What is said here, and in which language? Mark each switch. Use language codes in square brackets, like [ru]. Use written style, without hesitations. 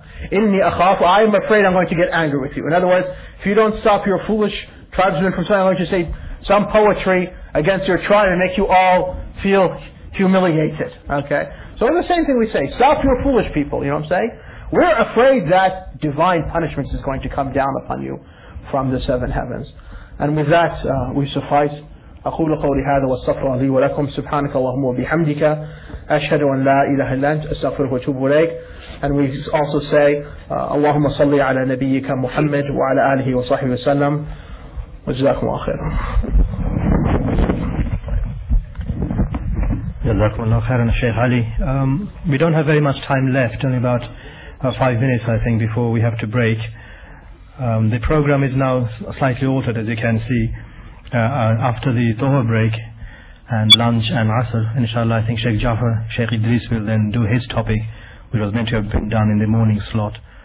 [ar] Inni akhafu, [en] I am afraid I'm going to get angry with you. In other words, if you don't stop your foolish tribesmen from saying, I'm going to say some poetry against your tribe and make you all feel humiliated. Okay? So it's the same thing we say. Stop your foolish people, you know what I'm saying? We're afraid that divine punishment is going to come down upon you from the seven heavens. And with that, we suffice. [ar] أقول قولي هذا واستغفر لي ولكم سبحانك اللهم وبحمدك أشهد أن لا إله إلا أنت أستغفرك وأتوب إليك. [en] And we also say [ar] اللهم صل على نبيك محمد وعلى آله وصحبه وسلم وجزاكم الله خيرا. جزاكم الله خيرا الشيخ علي. [en] We don't have very much time left, only about 5 minutes I think before we have to break. The program is now slightly altered, as you can see. After the Dhuhr break and lunch and Asr, inshallah, I think Sheikh Jaffer, Sheikh Idris will then do his topic, which was meant to have been done in the morning slot.